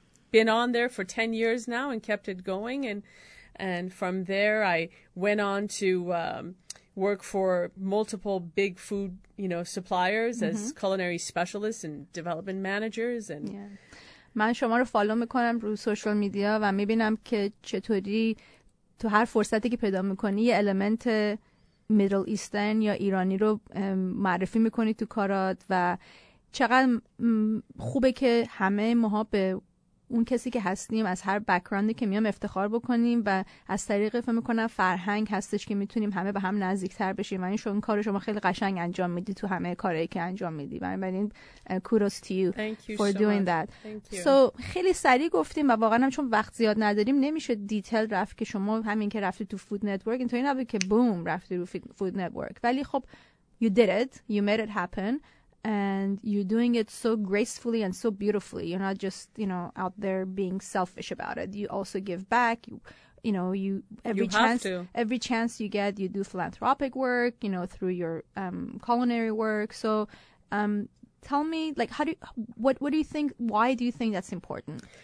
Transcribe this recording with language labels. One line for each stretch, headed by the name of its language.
English: been on there for 10 years now and kept it going. And from there, I went on to work for multiple big food, you know, suppliers as culinary specialists and development managers. And
Persian: من شما رو فالو میکنم رو سوشال میدیا و میبینم که چطوری تو هر فرصتی که پیدا میکنی یه المنت میدل ایسترن یا ایرانی رو معرفی میکنی تو کارات و چقدر خوبه که همه ماها به اون کسی که هستیم از هر بک‌گراندی که میام افتخار بکنیم و از طریق فهم میکنم فرهنگ هستش که میتونیم همه به هم نزدیکتر بشیم و این شو کار شما خیلی قشنگ انجام میدی تو همه کارهایی که انجام میدی و من این
English: kudos to you for doing that.
Persian: So خیلی سریع گفتیم و واقعا هم چون وقت زیاد نداریم نمیشه دیتیل رفت که شما همین که رفتی تو فود نتورک اینطوری نبود که بوم رفتی رو فود نتورک ولی خب
English: you did it, you made it happen. And you're doing it so gracefully and so beautifully. You're not just, you know, out there being selfish about it. You also give back. You know, every chance you get, you do philanthropic work, you know, through your culinary work. So tell me, like, what do you think, why do you think that's important?